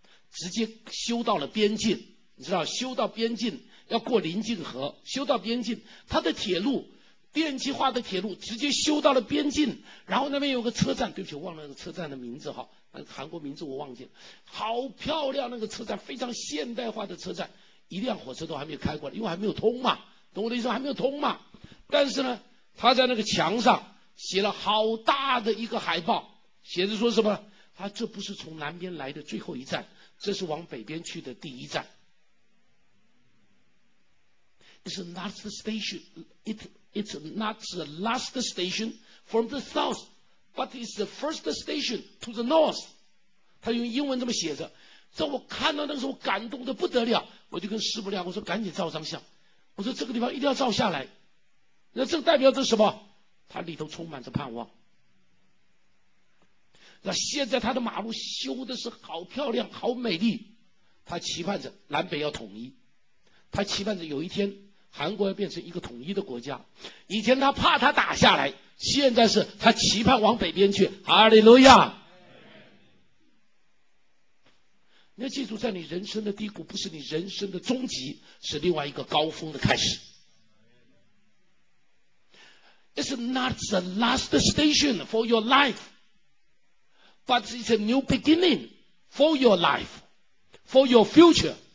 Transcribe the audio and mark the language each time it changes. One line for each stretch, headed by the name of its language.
Chinese: 直接修到了边境，你知道修到边境要过临近河，修到边境，他的铁路电气化的铁路直接修到了边境，然后那边有个车站，对不起，忘了那个车站的名字哈，那个韩国名字我忘记了，好漂亮，那个车站非常现代化的车站，一辆火车都还没有开过来，因为还没有通嘛，懂我的意思，还没有通嘛。但是呢，他在那个墙上写了好大的一个海报，写着说什么，他这不是从南边来的最后一站，这是往北边去的第一站。
English: It's not the station. It's not the last station from the south, but it's the first station to the north.
Chinese: 他用英文这么写着，在我看到那个时候，感动得不得了。我就跟师傅聊，我说赶紧照张相，我说这个地方一定要照下来。那这代表着什么？他里头充满着盼望。那现在他的马路修的是好漂亮，好美丽。他期盼着南北要统一，他期盼着有一天韩国要变成一个统一的国家。以前他怕他打下来，现在是他期盼往北边去。哈利路亚。你要记住，在你人生的低谷不是你人生的终极，是另外一个高峰的开始。
English: It's not the last station for your life, but it's a new beginning for your life, for your future.